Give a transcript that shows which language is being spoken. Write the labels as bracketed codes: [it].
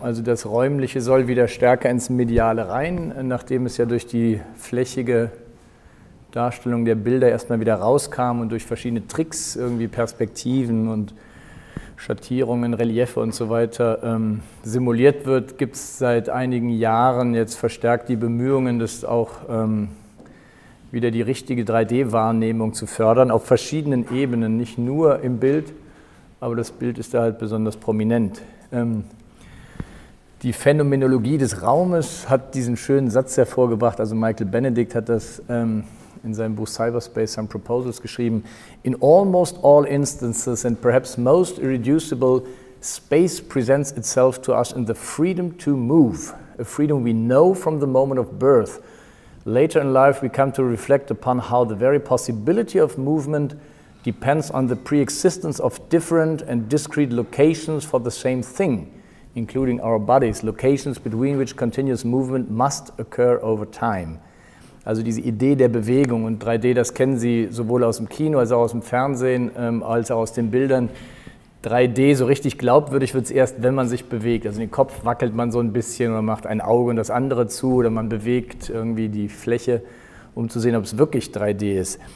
[de] Also das Räumliche soll wieder stärker ins Mediale rein, nachdem es ja durch die flächige Darstellung der Bilder erstmal wieder rauskam und durch verschiedene Tricks, irgendwie Perspektiven und Schattierungen, Reliefe und so weiter simuliert wird, gibt es seit einigen Jahren jetzt verstärkt die Bemühungen, das auch wieder die richtige 3D-Wahrnehmung zu fördern, auf verschiedenen Ebenen, nicht nur im Bild, aber das Bild ist da halt besonders prominent. Die Phänomenologie des Raumes hat diesen schönen Satz hervorgebracht, also Michael Benedict hat das in seinem Buch Cyberspace Some Proposals geschrieben. [en] In almost all instances and perhaps most irreducible, space presents itself to us in the freedom to move, a freedom we know from the moment of birth. Later in life we come to reflect upon how the very possibility of movement depends on the pre-existence of different and discrete locations for the same thing, including our bodies, locations between which continuous movement must occur over time. [de] Also diese Idee der Bewegung und 3D, das kennen Sie sowohl aus dem Kino als auch aus dem Fernsehen, als auch aus den Bildern. 3D, so richtig glaubwürdig wird es erst, wenn man sich bewegt. Also den Kopf wackelt man so ein bisschen oder macht ein Auge und das andere zu oder man bewegt irgendwie die Fläche, um zu sehen, ob es wirklich 3D ist.